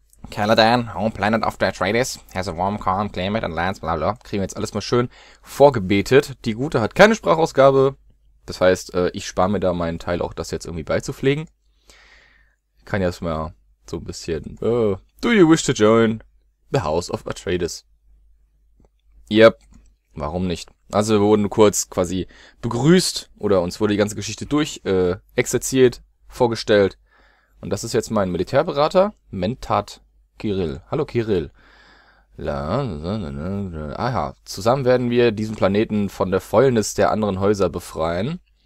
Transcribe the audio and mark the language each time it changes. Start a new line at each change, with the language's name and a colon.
English: Caladan, home planet of the Atreides, has a warm, calm climate and lands, bla bla.
German: Kriegen wir jetzt alles mal schön vorgebetet. Die Gute hat keine Sprachausgabe. Das heißt, ich spare mir da meinen Teil auch, das jetzt irgendwie beizupflegen. Kann ja erstmal so ein bisschen.
English: Do you wish to join the House of Atreides?
German: Yep. Warum nicht? Also wir wurden kurz quasi begrüßt oder uns wurde die ganze Geschichte durch exerziert, vorgestellt. Und das ist jetzt mein Militärberater, Mentat Kirill. Hallo Kirill. Aha, zusammen werden wir diesen Planeten von der Fäulnis der anderen Häuser befreien.